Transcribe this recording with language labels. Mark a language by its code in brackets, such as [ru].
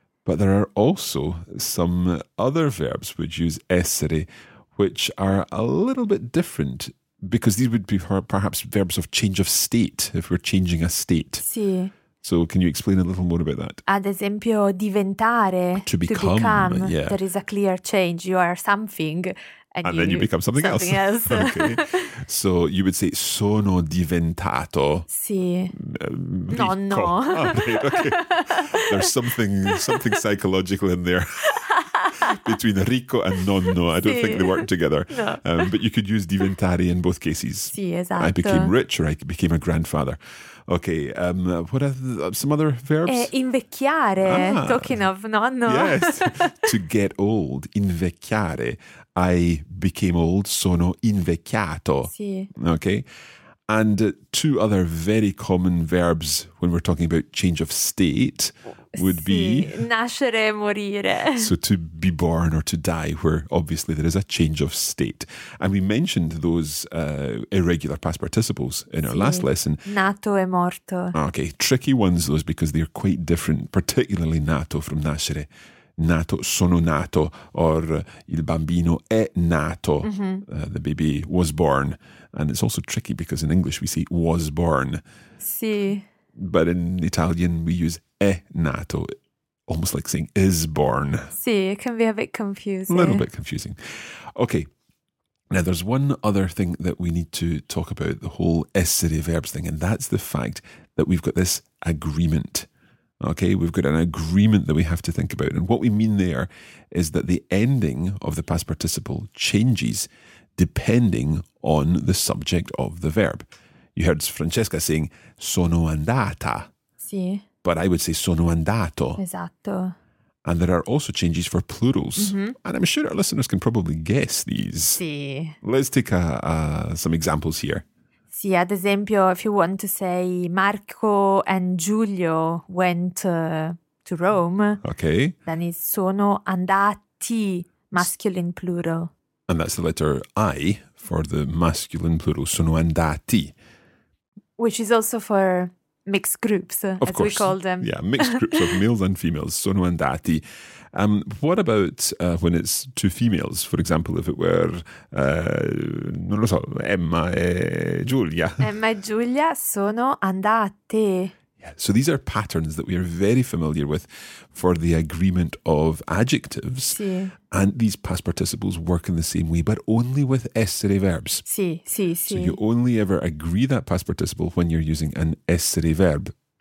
[en] But there are also some other verbs which use essere, which are a little bit different, because these would be perhaps verbs of change of state, if we're changing a state. [it] Sì. [en] So can you explain a little more about that? [it] Ad esempio, diventare, [en] to become. Yeah. There is a clear change. You are something. And then you become something else. Okay. So you would say, [it] sono diventato. Sì. Nonno. [en] There's something psychological in there. Between ricco and nonno. I don't think they work together. No. But you could use diventare in both cases. [it] Sì, esatto. [en] I became rich, or I became a grandfather. Okay, what are some other verbs? [it] Invecchiare, talking of nonno. [en] Yes, to get old, invecchiare. I became old, [it] sono invecchiato. Sì. [en] Okay, and two other very common verbs when we're talking about change of state would be... [it] Nascere, morire. [en] So to be born or to die, where obviously there is a change of state. And we mentioned those irregular past participles in our last lesson. [it] Nato e morto. [en] Okay, tricky ones those, because they're quite different, particularly nato from nascere. [it] Nato, sono nato, or il bambino è nato. Mm-hmm. [en] The baby was born. And it's also tricky because in English we say was born. [it] Sì. [en] But in Italian we use [it] è nato, [en] almost like saying is born. Sì, it can be a bit confusing. A little bit confusing. Okay, now there's one other thing that we need to talk about, the whole essere verbs thing, and that's the fact that we've got this agreement. Okay, we've got an agreement that we have to think about. And what we mean there is that the ending of the past participle changes depending on the subject of the verb. You heard Francesca saying, [it] sono andata. Sì. [en] But I would say, [it] sono andato. Esatto. [en] And there are also changes for plurals. Mm-hmm. And I'm sure our listeners can probably guess these. [it] Sì. [en] Let's take some examples here. Sì, ad esempio, if you want to say, Marco and Giulio went to Rome. Okay. Then it's [it] sono andati, [en] masculine plural. And that's the letter I for the masculine plural, [it] sono andati. [en] Which is also for mixed groups, as we call them. Yeah, mixed groups of males and females, [it] sono andati. [en] What about when it's two females? For example, if it were, [it] non lo so, [en] Emma e Giulia. [it] Emma e Giulia sono andate. [en] So these are patterns that we are very familiar with for the agreement of adjectives. [it] Sì. [en] And these past participles work in the same way, but only with essere verbs. [it] Sì, sì, sì. [en] So you only ever agree that past participle when you're using an essere verb.